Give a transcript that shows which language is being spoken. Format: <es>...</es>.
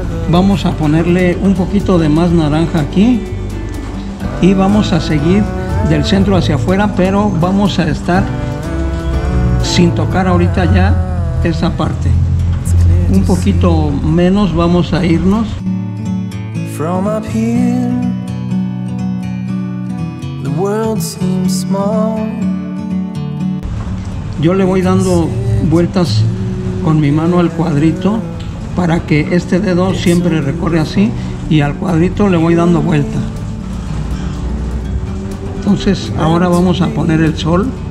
<es>Vamos a ponerle un poquito de más naranja aquí. Y vamos a seguir del centro hacia afuera, pero vamos a estar sin tocar ahorita ya esa parte. Un poquito menos vamos a irnos.</es> <en>From up here, the world seems small.</en> <es>Yo le voy dando vueltas con mi mano al cuadrito para que este dedo siempre recorre así, y al cuadrito le voy dando vuelta. Entonces ahora vamos a poner el sol.</es>